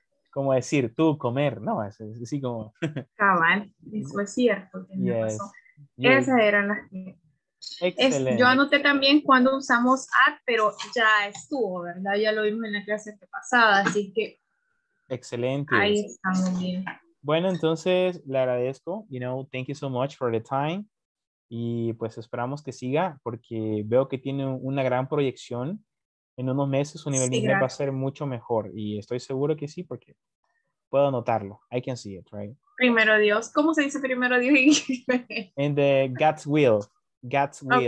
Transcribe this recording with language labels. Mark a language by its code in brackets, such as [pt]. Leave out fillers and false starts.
[es] Como decir, tú comer, no, es así como... Cabal, eso es cierto. [en] Yes. [es] Esas eran las que... Excelente. Yo anoté también cuando usamos at, pero ya estuvo, ¿verdad? Ya lo vimos en la clase pasada, así que... Excelente. Ahí estamos bien. Bueno, entonces, le agradezco. [en] You know, thank you so much for the time. [es] Y pues esperamos que siga, porque veo que tiene una gran proyección. En unos meses su nivel de inglés va a ser mucho mejor. Y estoy seguro que sí, porque puedo notarlo. [en] I can see it, right? [es] Primero Dios. ¿Cómo se dice primero Dios en inglés? [en] In the God's will. God's will.